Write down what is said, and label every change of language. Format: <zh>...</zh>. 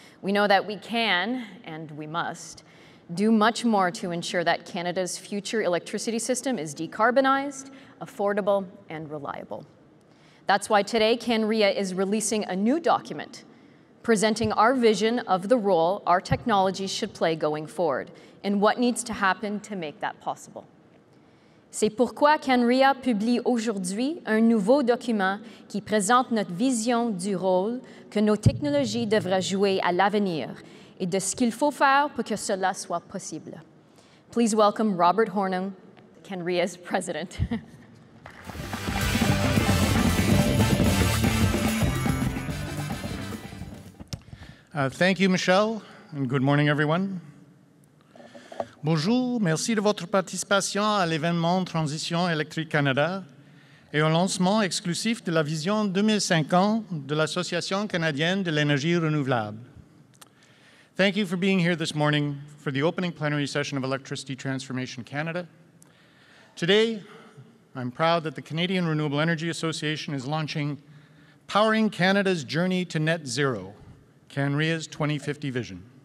<en>We know that we can, and we must, do much more to ensure that Canada's future electricity system is decarbonized, affordable, and reliable. That's why today CanREA is releasing a new document presenting our vision of the role our technology should play going forward and what needs to happen to make that possible.</en> <fr>C'est pourquoi CanREA publie aujourd'hui un nouveau document qui présente notre vision du rôle que nos technologies devraient jouer à l'avenir et de ce qu'il faut faire pour que cela soit possible.</fr> <en>Please welcome Robert Hornung, CanREA's president. Thank you, Michelle, and good morning, everyone.</en> <fr>Bonjour, merci de votre participation à l'événement Transition électrique Canada et au lancement exclusif de la vision 2050 de l'Association canadienne de l'énergie renouvelable.</fr> <en>Thank you for being here this morning for the opening plenary session of Electricity Transformation Canada. Today, I'm proud that the Canadian Renewable Energy Association is launching Powering Canada's Journey to Net Zero, CanREA's 2050 vision.</en>